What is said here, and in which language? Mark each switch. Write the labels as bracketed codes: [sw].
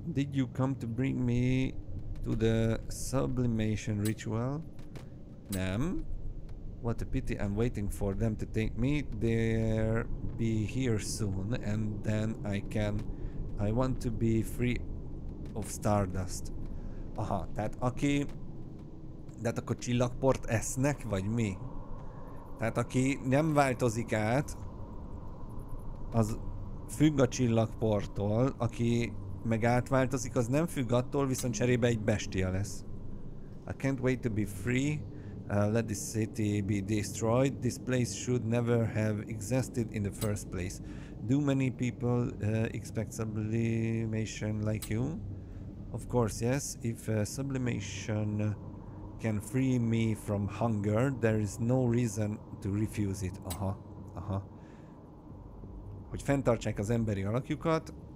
[en] Did you come to bring me to the sublimation ritual? [hu] Nem. [en] What a pity, I'm waiting for them to take me. They'll be here soon and then I want to be free of stardust. [hu] Aha, tehát aki... De hát akkor csillagport esznek, vagy mi? Tehát aki nem változik át, az függ a csillagporttól, aki meg átváltozik, az nem függ attól, viszont cserébe egy bestia lesz. [en] I can't wait to be free. Let this city be destroyed. This place should never have existed in the first place. Do many people expect sublimation like you? Of course, yes. If sublimation can free me from hunger, there is no reason to refuse it. Aha, aha. [hu] Hogy fenntartsák az emberi alakjukat.